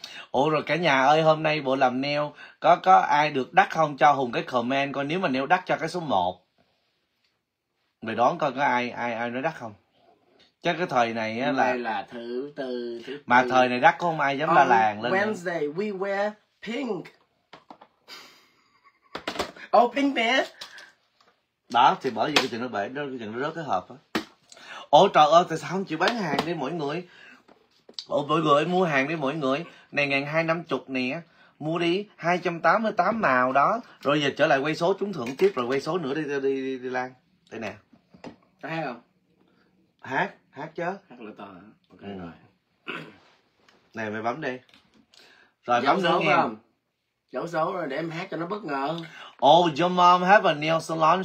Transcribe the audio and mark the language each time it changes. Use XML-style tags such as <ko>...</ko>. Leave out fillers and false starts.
<vi>Ủa rồi cả nhà ơi, hôm nay bộ làm nail có ai được đắt không, cho Hùng cái comment coi, nếu mà nail đắt cho cái số 1. Mày đoán coi có ai nói đắt không? Chắc cái thời này á là... là thứ tư, thứ tư. Mà thời này đắt có không ai dám ra làng lên.</vi> <en>Wednesday nữa. We wear pink. Oh, pink bear.</en> <vi>Đó, thì bởi vì cái chuyện nó bể, cái chuyện nó rớt cái hộp á. Ồ trời ơi, tại sao không chịu bán hàng đi mọi người? Ồ, mọi người mua hàng đi mọi người. Này, 1250 nè. Mua đi, 288 màu đó. Rồi giờ trở lại quay số trúng thưởng tiếp, rồi quay số nữa đi, đi Lan. Đây nè. Có hát không? Hát chứ. Hát lửa to hả? Ok rồi. Nè, mày bấm đi. Rồi, giấu bấm xuống nghe. Giấu số rồi, để em hát cho nó bất ngờ.</vi> <en>Oh, your mom have a nail salon.</en>